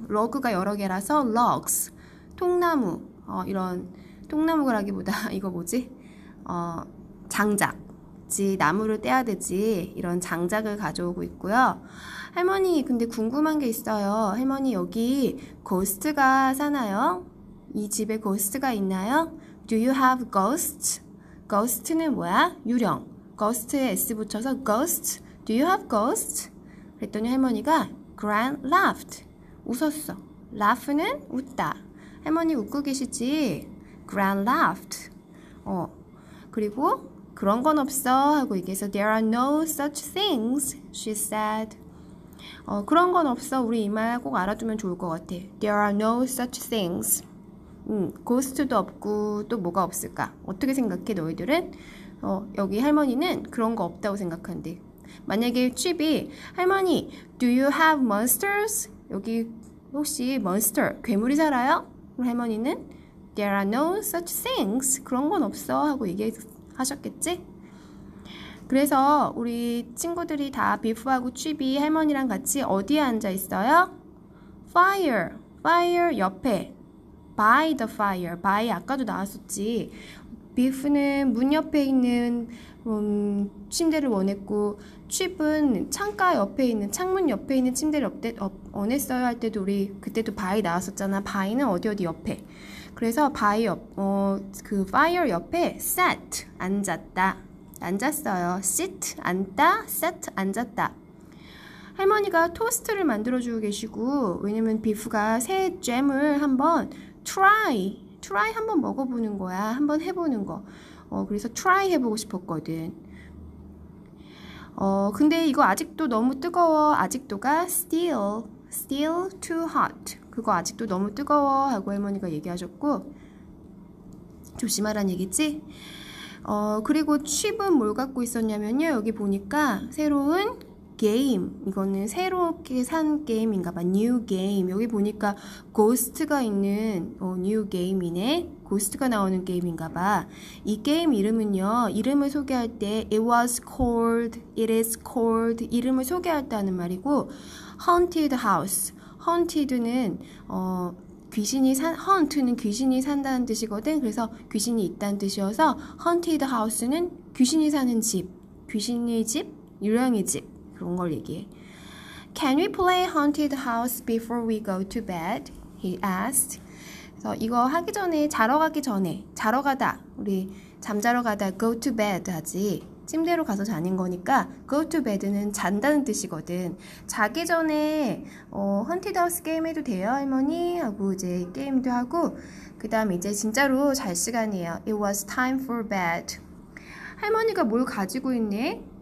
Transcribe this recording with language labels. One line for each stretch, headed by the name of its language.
Korean: log가 여러 개라서 logs. 통나무. 이런 통나무라기보다 이거 뭐지? 장작. 지 나무를 떼야 되지. 이런 장작을 가져오고 있고요. 할머니 근데 궁금한 게 있어요. 할머니 여기 고스트가 사나요? 이 집에 고스트가 있나요?
English: Do you have ghosts? ghost는
Korean: 뭐야? 유령. ghost에 s 붙여서 ghost.
English: Do you have ghosts?
Korean: 그랬더니 할머니가
English: Gran laughed.
Korean: 웃었어. laugh는 웃다. 할머니 웃고 계시지?
English: Gran laughed. 그리고 그런 건 없어 하고 얘기해서 There are no such things, she said.
Korean: 그런 건 없어. 우리 이 말 꼭 알아두면 좋을 것 같아.
English: There are no such things.
Korean: ghost도 없고 또 뭐가 없을까? 어떻게 생각해 너희들은? 여기 할머니는 그런 거 없다고 생각한대. 만약에 칩이 할머니,
English: Do you have monsters?
Korean: 여기 혹시 monster, 괴물이 살아요? 그럼 할머니는
English: There are no such things.
Korean: 그런 건 없어 하고 얘기했어. 하셨겠지? 그래서 우리 친구들이 다 비프하고 취비 할머니랑 같이 어디에 앉아 있어요?
English: Fire. Fire 옆에. By the fire.
Korean: By 아까도 나왔었지. 비프는 문 옆에 있는 침대를 원했고 취비는 창가 옆에 있는 창문 옆에 있는 침대를 원했어요 할 때도 우리 그때도 by 나왔었잖아. By는 어디 옆에. 그래서 바이 옆, 그 파이어 옆에 sat 앉았다. 앉았어요. sit 앉다, sat 앉았다. 할머니가 토스트를 만들어 주고 계시고, 왜냐면 비프가 새 잼을 한번 try 한번 먹어 보는 거야. 한번 해 보는 거. 그래서 try 해 보고 싶었거든. 근데 이거 아직도 너무 뜨거워. 아직도가
English: still too hot.
Korean: 그거 아직도 너무 뜨거워 하고 할머니가 얘기하셨고, 조심하라는 얘기지? 그리고 칩은 뭘 갖고 있었냐면요, 여기 보니까 새로운 게임, 이거는 새롭게 산 게임인가 봐.
English: New game.
Korean: 여기 보니까 고스트가 있는 new game이네. 고스트가 나오는 게임인가 봐. 이 게임 이름은요, 이름을 소개할 때
English: it was called, it is called,
Korean: 이름을 소개했다는 말이고, haunted house. Haunted는 귀신이 산, Haunt는 귀신이 산다는 뜻이거든. 그래서 귀신이 있다는 뜻이어서 Haunted House는 귀신이 사는 집, 귀신의 집, 유령의 집, 그런 걸 얘기해.
English: Can we play Haunted House before we go to bed? He asked.
Korean: 그래서 이거 하기 전에, 자러 가기 전에, 자러 가다, 우리 잠자러 가다 go to bed 하지. 침대로 가서 자는 거니까 go to bed는 잔다는 뜻이거든. 자기 전에 Haunted House 게임 해도 돼요 할머니? 하고 이제 게임도 하고, 그 다음 이제 진짜로 잘 시간이에요.
English: It was time for bed.
Korean: 할머니가 뭘 가지고 있네?